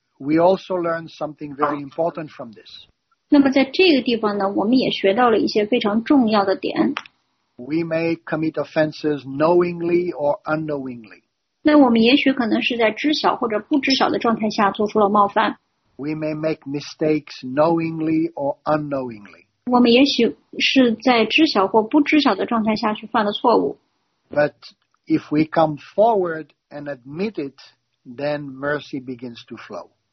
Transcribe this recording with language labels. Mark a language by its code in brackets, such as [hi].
[en] we also learn something very important from this. [zh] 那么在这个地方呢，我们也学到了一些非常重要的点。 [en] We may commit offenses knowingly or unknowingly. [zh] 那我们也许可能是在知晓或者不知晓的状态下做出了冒犯。 [en] We may make mistakes knowingly or unknowingly. [zh] 我们也许是在知晓或不知晓的状态下去犯了错误。 [en] But if we come forward and admit it, then mercy begins to flow.